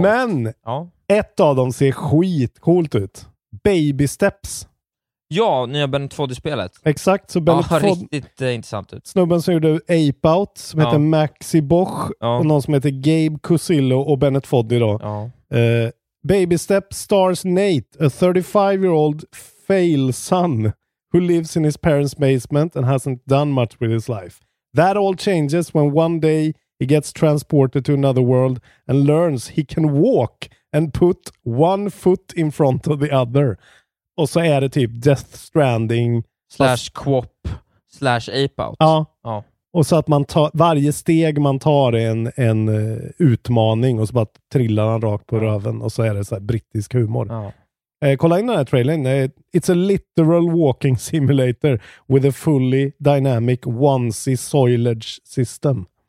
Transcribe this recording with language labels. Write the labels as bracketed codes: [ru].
[sv] Men ett av dem ser skitcoolt ut. Baby Steps. Ja, nya Ben 2D-spelet. Exakt. Så riktigt intressant ut. Snubben som gjorde Ape Out, som heter Maxi Bosch. Ja. Och någon som heter Gabe Cusillo och Bennett Foddy då. Ja. [en] Baby Step stars Nate, a 35-year-old fail son who lives in his parents' basement and hasn't done much with his life. That all changes when one day he gets transported to another world and learns he can walk and put one foot in front of the other. [sv] Och så är det typ Death Stranding slash Quop slash Ape Out. Ja. Ja. Och så att man tar varje steg man tar är en utmaning, och så bara trillar han rakt på röven, och så är det så här brittisk humor. Ja. Kolla in den här trailern. [en] It's a literal walking simulator with a fully dynamic onesie soilage system.